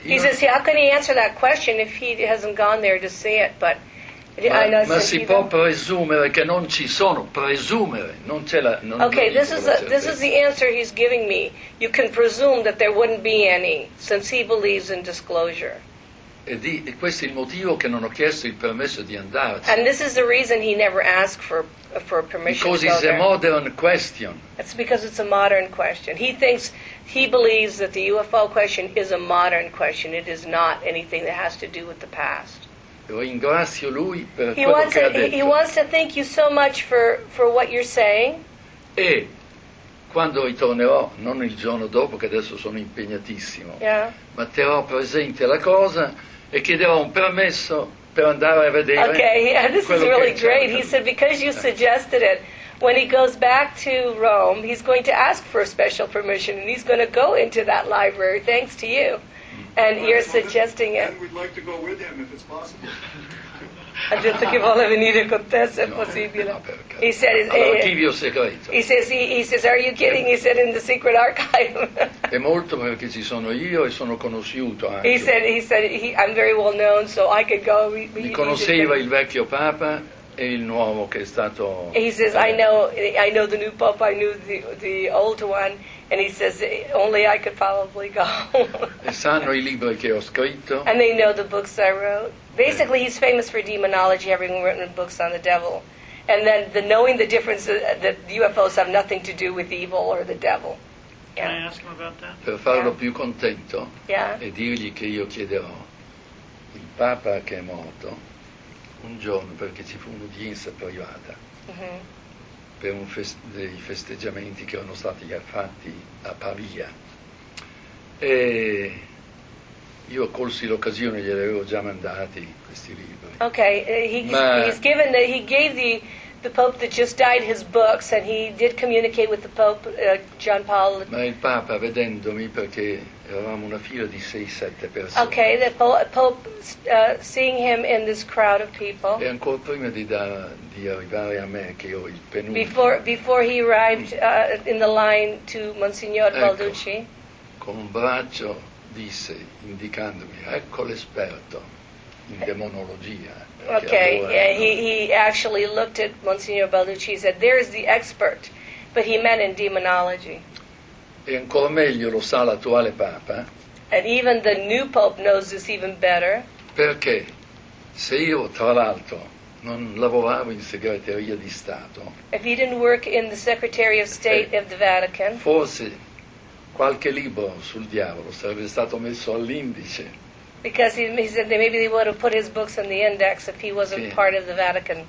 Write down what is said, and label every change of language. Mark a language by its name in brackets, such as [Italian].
[English] he says, how can he answer that question if he hasn't gone there to see it? But [Italian] ma si può presumere che non ci sono. Presumere, non c'è la. [English] Okay, this is the answer he's giving me. You can presume that there wouldn't be any, since he believes in disclosure. [Italian] E questo è il motivo che non ho chiesto il permesso di andare. [English] And this is the reason he never asked for permission. Because to go it's there. A modern question. It's because it's a modern question. He believes that the UFO question is a modern question. It is not anything that has to do with the past. [Italian] Ringrazio lui per [English] he [Italian] quello che ha detto. [English] He wants to thank you so much for what you're saying. [Italian] E quando ritornerò, non il giorno dopo, che adesso sono impegnatissimo, ma terrò presente la cosa e chiederò un permesso per andare a vedere. [English] Okay, yeah, this is really great. He said, because you suggested it, when he goes back to Rome, he's going to ask for a special permission and he's going to go into that library, thanks to you. And you're suggesting it. And we'd like to go with him if it's possible. [Italian] Ha detto che vuole venire con te se è possibile. [English] He said, [Italian] all'archivio segreto. [English] He says, are you kidding? He said, in the secret archive. [Italian] È molto perché ci sono io e sono conosciuto anche. [English] He said, I'm very well known, so I could go. [Italian] Mi conosceva il vecchio Papa e il nuovo che è stato. [English] He says, I know the new Pope, I knew the old one, and he says, only I could probably go. [Italian] E sanno i libri che ho scritto. [English] And they know the books I wrote. Basically, he's famous for demonology, having written books on the devil. And then the knowing the difference that the UFOs have nothing to do with evil or the devil. Can I ask him about that? [Italian] Per farlo più contento e dirgli che io chiederò il Papa che è morto un giorno, perché ci fu un'udienza privata per dei festeggiamenti che erano stati fatti a Pavia. E io colsi l'occasione, gli avevo già mandati questi libri. [English] Okay, he gave the Pope that just died his books, and he did communicate with the Pope, John Paul. [Italian] Ma il Papa, vedendomi, perché Eravamo una fila di 6-7 persone. [English] Okay, the Pope seeing him in this crowd of people. [Italian] E ancora prima di arrivare a me, che io il penultimo. [English] Before he arrived in the line to Monsignor Balducci. [Italian] Con un braccio disse, indicandomi, ecco l'esperto in demonologia. [English] Okay, yeah, he actually looked at Monsignor Balducci and said, there's the expert, but he meant in demonology. [Italian] E ancora meglio lo sa l'attuale Papa. [English] And even the new Pope knows this even better. [Italian] Perché se io, tra l'altro, non lavoravo in segreteria di Stato, [English] if he didn't work in the Secretary of State of the Vatican, [Italian] forse qualche libro sul diavolo sarebbe stato messo all'indice. [English] Because he said that maybe they would have put his books in the index if he wasn't part of the Vatican.